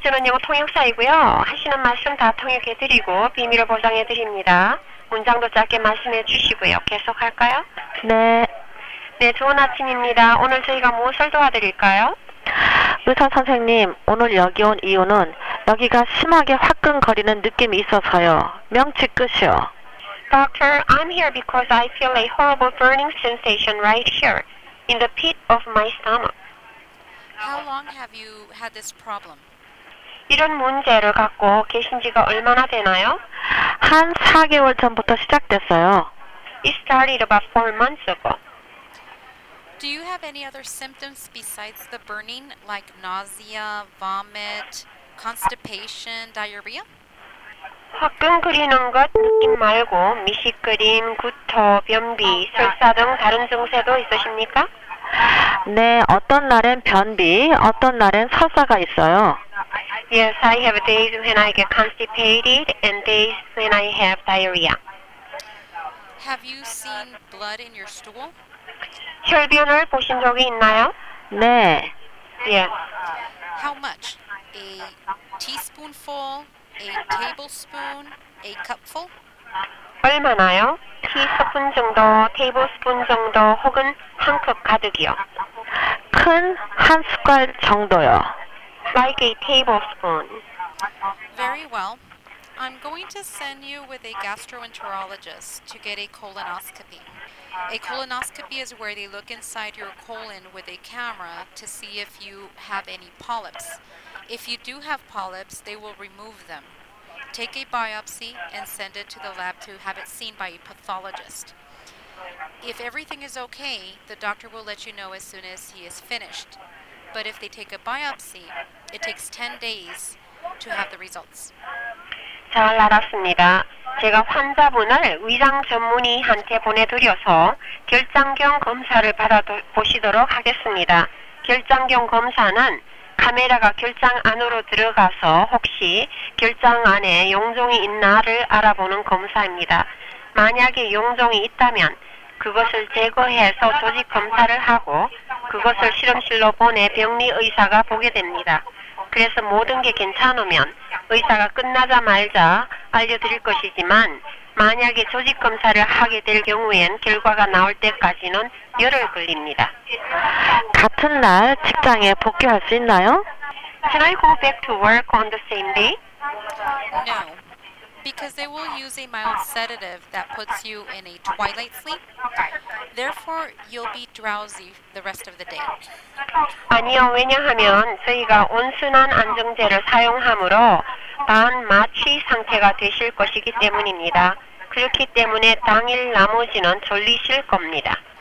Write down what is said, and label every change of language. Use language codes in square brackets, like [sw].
[ko] 저는 영어 통역사이고요. 하시는 말씀 다 통역해드리고 비밀을 보장해드립니다. 문장도 짧게 말씀해 주시고요. 계속할까요? 네. 네, 좋은 아침입니다. 오늘 저희가 무엇을 도와드릴까요? 의사 선생님, 오늘 여기 온 이유는 여기가 심하게 화끈거리는 느낌이 있어서요. 명치 끝이요. [en] Doctor, I'm here because I feel a horrible burning sensation right here in the pit of my stomach. How long have you had this problem? [ko] 이런 문제를 갖고 계신 지가 얼마나 되나요? 한 4개월 전부터 시작됐어요. [en] It started about 4 months ago. Do you have any other symptoms besides the burning, like nausea, vomit, constipation, diarrhea? [ko] 화끈거리는 것 느낌 말고 미식거림, 구토, 변비, 설사 등 다른 증세도 있으십니까? 네, 어떤 날엔 변비, 어떤 날엔 설사가 있어요. [en] Yes, I have days when I get constipated and days when I have diarrhea. Have you seen blood in your stool? [ko] 혈변을 보신 적이 있나요? 네. [en] How much? A teaspoonful? A tablespoon? A cupful? [ko] 얼마나요? 티스푼 정도, 테이블스푼 정도, 혹은 한 컵 가득이요. 큰 한 숟갈 정도요. [en] Like a tablespoon. Very well. I'm going to send you with a gastroenterologist to get a colonoscopy. A colonoscopy is where they look inside your colon with a camera to see if you have any polyps. If you do have polyps, they will remove them. Take a biopsy and send it to the lab to have it seen by a pathologist. If everything is okay, the doctor will let you know as soon as he is finished. But if they take a biopsy, it takes 10 days to have the results. [ko] 잘 알았습니다. 제가 환자분을 위장 전문의한테 보내드려서 결장경 검사를 받아보시도록 하겠습니다. 결장경 검사는 카메라가 결장 안으로 들어가서 혹시 결장 안에 용종이 있나를 알아보는 검사입니다. 만약에 용종이 있다면 그것을 제거해서 조직 검사를 하고 그것을 실험실로 보내 병리 의사가 보게 됩니다. 그래서 모든 게 괜찮으면 의사가 끝나자 말자 알려드릴 것이지만 만약에 조직 검사를 하게 될 경우엔 결과가 나올 때까지는 열흘 걸립니다. 같은 날 직장에 복귀할 수 있나요? [en] Can I go back to work on the same day? No, because they will use a mild sedative that puts you in a twilight sleep. Therefore, you'll be drowsy the rest of the day. [ko] 아니요, 왜냐하면 저희가 온순한 안정제를 사용함으로 반 마취 상태가 되실 것이기 때문입니다. 그렇기 때문에 당일 나머지는 졸리실 겁니다.